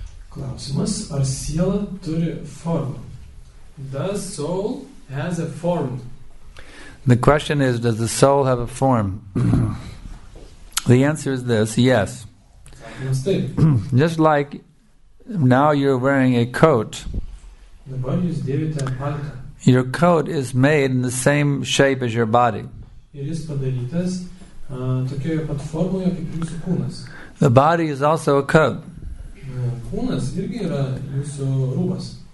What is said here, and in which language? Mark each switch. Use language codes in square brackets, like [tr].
[lt] Klausimas, ar siela turi formą? [en] Does soul has a form? The question is, does the soul have a form? The answer is this, yes. Just like now you're wearing a coat. [lt] Dabar jūs dėvite paltą. [en] Your coat is made in the same shape as your body. [lt] Ir jis padarytas tokioje pat formoje kaip jūsų kūnas. [en] The body is also a coat. [lt] Kūnas irgi yra jūsų rūbas.